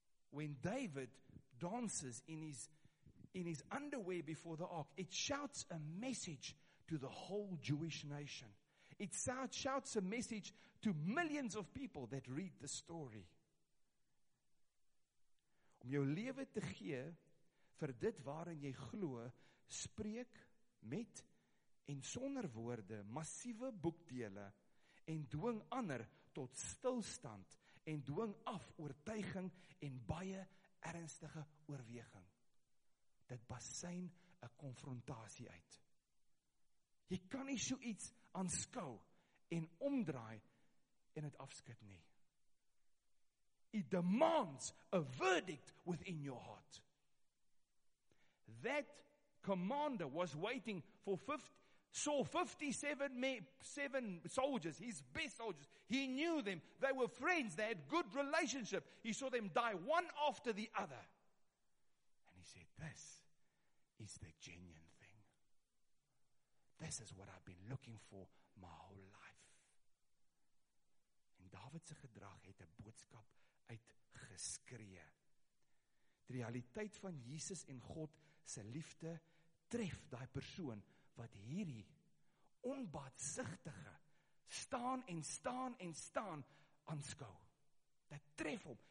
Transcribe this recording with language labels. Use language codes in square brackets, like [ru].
[en] When David dances in his underwear before the ark, it shouts a message to the whole Jewish nation. It shouts a message to millions of people that read the story. [af] Om jou lewe te gee vir dit waarin jy glo, spreek met en sonder woorde massiewe boekdele en dwing ander tot stilstand en dwing af oortuiging en baie ernstige oorweging. Dit basyn 'n konfrontasie uit. Jy kan nie so iets aanskou en omdraai en dit afskud nie. [en] It demands a verdict within your heart. That commander was waiting for 57 soldiers, his best soldiers. He knew them. They were friends. They had good relationship. He saw them die one after the other. And he said, this is the genuine thing. This is what I've been looking for my whole life. [af] En David se gedrag het 'n boodskap uitgeskree. Die realiteit van Jesus en God se liefde tref daai persoon wat hierdie onbaatsigtige staan en staan en staan aanskou. Dit tref hom.